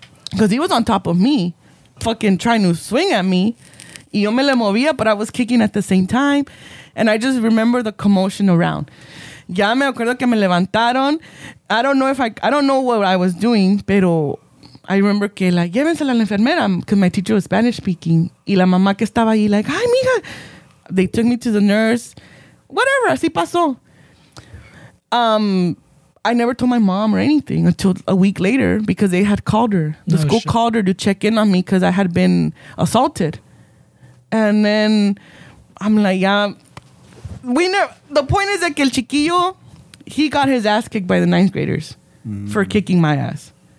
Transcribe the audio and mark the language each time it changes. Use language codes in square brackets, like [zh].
[en] Because he was on top of me, fucking trying to swing at me. [es] Y yo me le movía, [en] but I was kicking at the same time. And I just remember the commotion around. [es] Ya me acuerdo que me levantaron. [en] I don't know what I was doing, [es] pero [en] I remember [es] que [en] like, [es] llévensela a la enfermera, [en] because my teacher was Spanish speaking. [es] Y la mamá que estaba ahí, [en] like, [es] ay, mija. [en] They took me to the nurse. Whatever, [es] así pasó. [en] I never told my mom or anything until a week later because they had called her. The school called her to check in on me because I had been assaulted. And then I'm like, yeah. The point is that [es] el chiquillo, [en] he got his ass kicked by the ninth graders for kicking my ass.